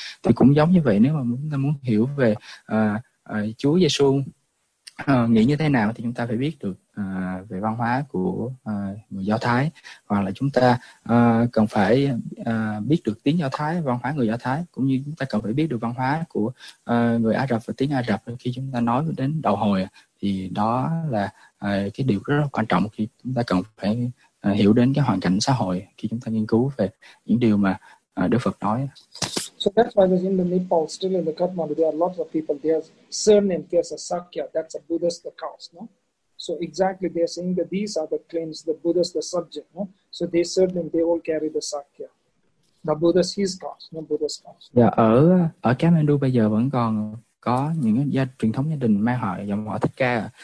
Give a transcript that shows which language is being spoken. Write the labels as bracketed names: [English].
[Vietnamese] Thì cũng giống như vậy, nếu mà chúng ta muốn hiểu về Chúa Giê-xu nghĩ như thế nào, thì chúng ta phải biết được về văn hóa của người Do Thái, hoặc là chúng ta cần phải biết được tiếng Do Thái, văn hóa người Do Thái, cũng như chúng ta cần phải biết được văn hóa của người Ả Rập và tiếng Ả Rập khi chúng ta nói đến đạo Hồi. Thì đó là cái điều rất là quan trọng khi chúng ta cần phải hiểu đến cái hoàn cảnh xã hội khi chúng ta nghiên cứu về những điều mà Đức Phật nói. [English] So that's why there's in the Nepal, still in the Kathmandu, there are lots of people. There's surname, there's a Sakya, that's a Buddhist caste, no? So exactly they're saying that these are the claims, the Buddhist, the subject, no? So they surname, they all carry the Sakya. The Buddhist, his caste, no Buddhist caste. [Vietnamese] Yeah, ở Kathmandu bây giờ vẫn còn có những gia truyền thống gia đình mang họ dòng họ Thích Ca.